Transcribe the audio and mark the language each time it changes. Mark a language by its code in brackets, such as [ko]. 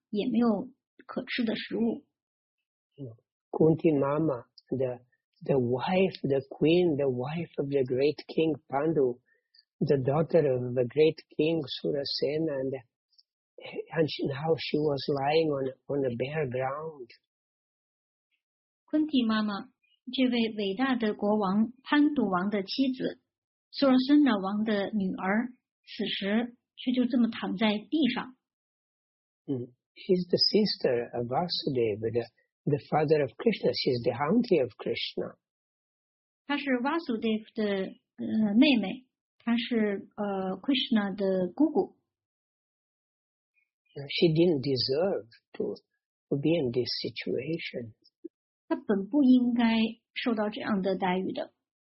[zh] 那两天以前,他们还舒舒服服地睡在床上,而且还有那么美味的食物。可是现在呢,他们既没有睡觉的床,也没有可吃的食物。 [en] Kunti Mama, the wife, the queen, the wife of the great king Pandu, the daughter of the great king Surasena, and now she was lying on a bare ground. [zh] Kunti Mama, 这位伟大的国王潘杜王的妻子, Surasena 王的女儿, 此时却就这么躺在地上。 [en] She's the sister of Vasudeva, the father of Krishna, she's the auntie of Krishna. [zh] 她是Vasudeva的妹妹, 她是Krishna的姑姑。 [en] She didn't deserve to be in this situation. [zh] 她本不应该受到这样的待遇的。